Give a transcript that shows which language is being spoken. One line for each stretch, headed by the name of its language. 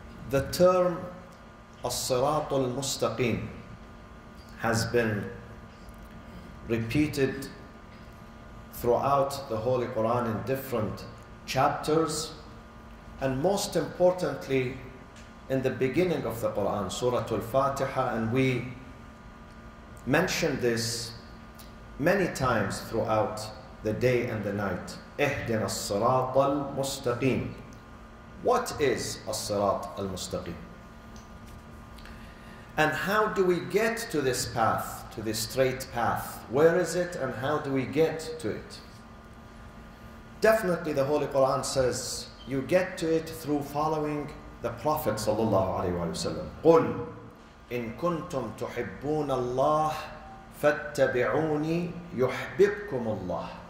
English: The term
Arabic: الصراط المستقيم
English: has been repeated throughout the Holy Quran in different chapters, and most importantly in the beginning of the Quran, Surah Al-Fatiha, and we mentioned this many times throughout the day and the night.
Arabic: اهدنا الصراط المستقيم.
English: What is
Arabic: الصراط المستقيم?
English: And how do we get to this path, to this straight path? Where is it and how do we get to it? Definitely the Holy Quran says you get to it through following the Prophet sallallahu alaihi wasallam.
Arabic: قُلْ إِن كُنْتُمْ تُحِبُّونَ اللَّهَ فَاتَّبِعُونِي يُحْبِبْكُمُ اللَّهَ.